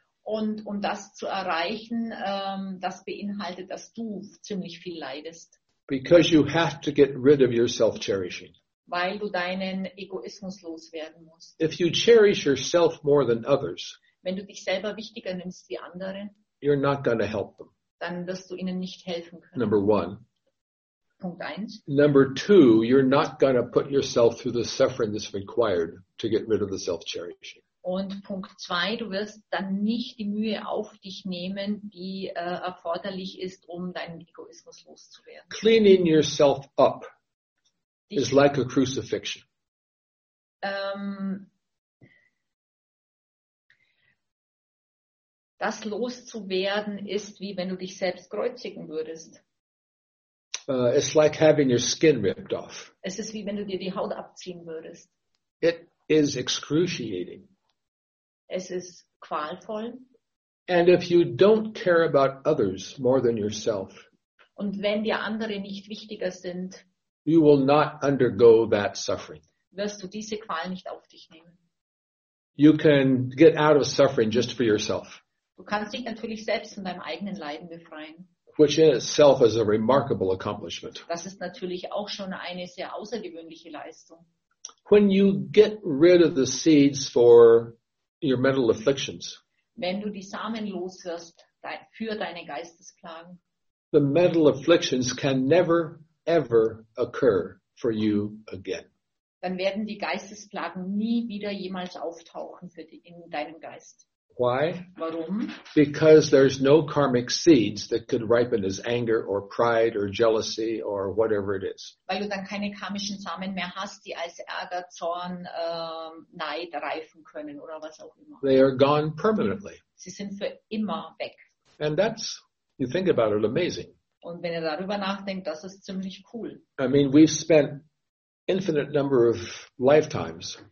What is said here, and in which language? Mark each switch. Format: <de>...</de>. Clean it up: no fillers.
<de>Und um das zu erreichen, das beinhaltet, dass du ziemlich viel leidest.</de> <en>Because you have to get rid of your self-cherishing.</en> <de>Weil du deinen Egoismus loswerden musst.</de> <en>If you cherish yourself more than others,</en> <de>wenn du dich selber wichtiger nimmst wie andere,</de> <en>you're not going to help them.</en> <de>Dann wirst du ihnen nicht helfen können.</de> <en>Number one.</en> <de>Punkt eins.</de> <en>Number two, you're not going to put yourself through the suffering that's required to get rid of the self-cherishing.</en> <de>Und Punkt zwei, du wirst dann nicht die Mühe auf dich nehmen, die erforderlich ist, um deinen Egoismus loszuwerden.</de> <en>Cleaning yourself up is like a crucifixion.</en> <de>Das loszuwerden ist, wie wenn du dich selbst kreuzigen würdest.</de> <en>It's like having your skin ripped off.</en> <de>Es ist, wie wenn du dir die Haut abziehen würdest.</de> <en>It is excruciating.</en> <de>Es ist qualvoll.</de> <en>And if you don't care about others more than yourself,</en> <de>und wenn dir andere nicht wichtiger sind,</de> <en>you will not undergo that suffering.</en> <de>Wirst du diese Qual nicht auf dich nehmen.</de> <en>You can get out of suffering just for yourself.</en> <de>Du kannst dich natürlich selbst von deinem eigenen Leiden befreien.</de> <en>Which in itself is a remarkable accomplishment.</en> <de>Das ist natürlich auch schon eine sehr außergewöhnliche Leistung.</de> <en>When you get rid of the seeds for your mental afflictions,</en> <de>wenn du die Samen loswirst für deine Geistesplagen,</de> <en>the mental afflictions can never ever occur for you again.</en> <de>Dann werden die Geistesplagen nie wieder jemals auftauchen für dich in deinem Geist.</de> <en>Why?</en> <de>Warum?</de> <en>Because there's no karmic seeds that could ripen as anger or pride or jealousy or whatever it is.</en> <de>Weil du dann keine karmischen Samen mehr hast, die als Ärger, Zorn, Neid reifen können oder was auch immer.</de> <en>They are gone permanently.</en> <de>Sie sind für immer weg.</de> <en>And that's, you think about it, amazing.</en> <de>Und wenn ihr darüber nachdenkt, das ist ziemlich cool.</de> <en>I mean, we've spent infinite number of lifetimes.</en>